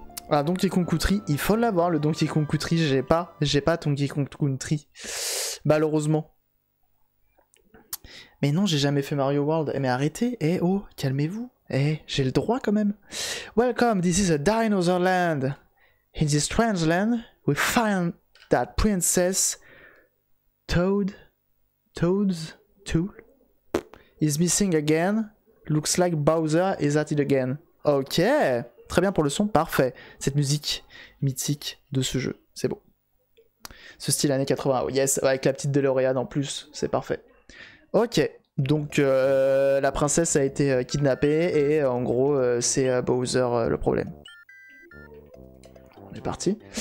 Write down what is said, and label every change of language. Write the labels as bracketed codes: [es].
[fr] Ah, Donkey Kong Country, il faut l'avoir, le Donkey Kong Country, j'ai pas Donkey Kong Country, malheureusement. Mais non, j'ai jamais fait Mario World, mais arrêtez, eh oh, calmez-vous, eh, j'ai le droit quand même. [en] Welcome, this is a dinosaur land. In this strange land, we find that princess Toad is missing again, looks like Bowser is at it again. [fr] Ok. Très bien pour le son, parfait. Cette musique mythique de ce jeu, c'est beau. Ce style années 80, [en] oh yes, [fr] avec la petite DeLorean en plus, c'est parfait. Ok, donc la princesse a été kidnappée et en gros c'est Bowser le problème. On est parti.